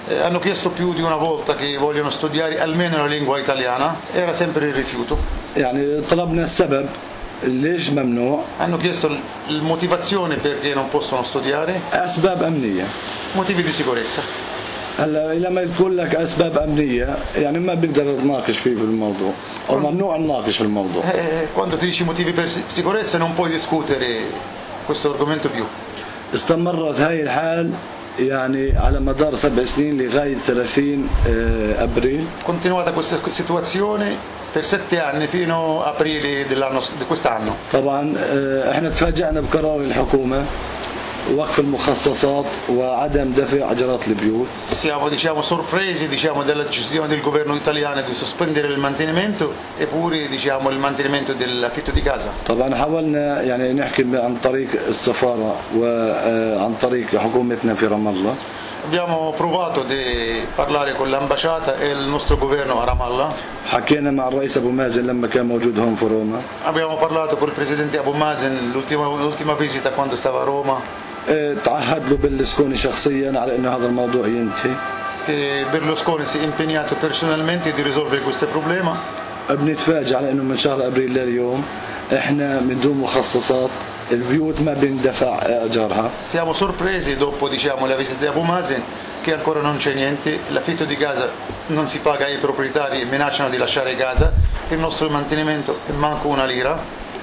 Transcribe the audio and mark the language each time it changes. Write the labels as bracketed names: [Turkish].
[Italian] hanno chiesto più di una volta che vogliono studiare almeno la lingua italiana era sempre il rifiuto [Arabic] يعني طلبنا السبب ليش ممنوع [Italian] hanno chiesto motivazione perché non possono studiare [Arabic] اسباب امنيه [Italian] motivi di sicurezza [Arabic] هلا الى ما يقول لك اسباب امنيه يعني ما بقدر اتناقش فيه بالموضوع او ممنوع اناقش في الموضوع [Italian] quando ti dici motivi per sicurezza non puoi discutere questo argomento più [Arabic] استمرت هاي الحال يعني على مدار 7 سنين لغاية 30 أبريل. [Italian] continuata questa situazione per 7 anni fino a aprile dell'anno di quest'anno. [Arabic] طبعاً إحنا تفاجأنا بقرار الحكومة وقف المخصصات وعدم دفع أجرات البيوت. [Italian] siamo diciamo sorpresi diciamo della decisione del governo italiano di sospendere il mantenimento e pure diciamo il mantenimento dell'affitto di casa. [Arabic] طبعاً حاولنا يعني نحكي عن طريق السفارة وعن طريق حكومتنا في رام الله. [Italian] abbiamo provato di parlare con l'ambasciata e il nostro governo a Ramallah. [Arabic] حكينا مع الرئيس أبو مازن لما كان موجود هون في روما. [Italian] abbiamo parlato con il presidente Abu Mazen l'ultima visita quando stava a Roma. [Arabic] تعهد له بيرلسكوني شخصيا على انه هذا الموضوع ينتهي. [Italian] بيرلسكوني si è impegnato personalmente di risolvere questo problema. [Arabic] بنتفاجئ على انه من شهر ابريل لليوم احنا من دون مخصصات البيوت ما بندفع اجارها [Italian] siamo sorpresi dopo diciamo la visita di Abu Mazen che ancora non c'è niente, l'affitto di casa non si paga ai proprietari e minacciano di lasciare casa, il nostro mantenimento è manco una lira.